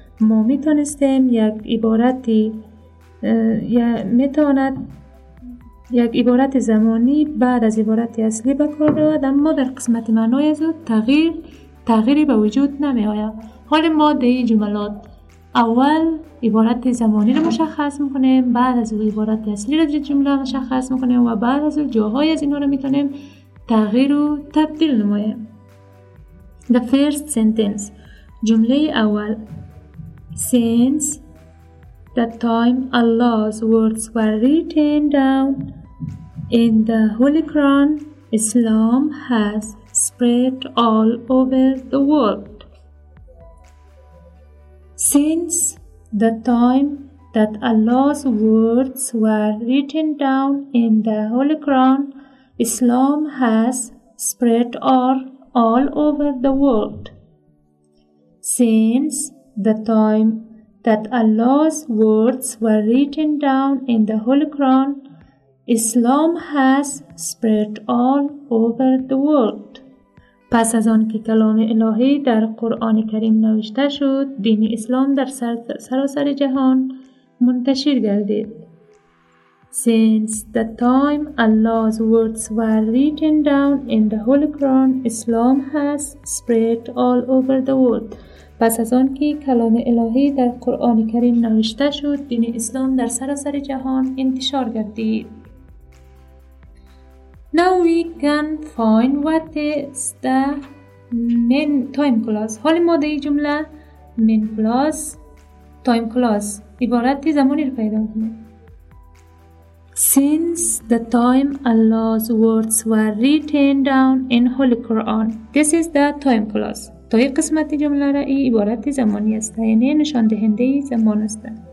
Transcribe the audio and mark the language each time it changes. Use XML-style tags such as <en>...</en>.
<fa>ما میتونستیم یک عبارت زمانی بعد از عبارت اصلی بکار رود، اما در قسمت معنای از او تغییری به وجود نمی آید. حال ما در این جملات اول عبارت زمانی رو مشخص میکنیم، بعد از او عبارت اصلی رو در جمله مشخص میکنیم و بعد از او جاهای از اینا رو میتونیم تغییر و تبدیل نماییم.</fa> <en>The first sentence،</en> <fa>جمله اول.</fa> <en>Since the time Allah's words were written down in the Holy Quran, Islam has spread all over the world. Since the time that Allah's words were written down in the Holy Quran, Islam has spread all over the world. Since the time that Allah's words were written down in the Holy Quran, Islam has spread all over the world.</en> <fa>پس از آن که کلام الهی در قرآن کریم نوشته شد، دین اسلام در سراسر جهان منتشر گردید.</fa> <en>Since the time Allah's words were written down in the Holy Quran, Islam has spread all over the world.</en> <fa>پس از آن که کلام الهی در قرآن کریم نوشته شد، دین اسلام در سراسر جهان انتشار گردید.</fa> <en>Now we can find what is the main time clause.</en> <fa>حال ماده جمله main clause، time clause، عبارت زمانی رو پیدا کنید.</fa> <en>Since the time Allah's words were written down in Holy Quran. This is the time clause.</en> <fa>تا یک قسمت جمله را ای عبارت زمانی است، یعنی نشان دهنده زمان است.</fa>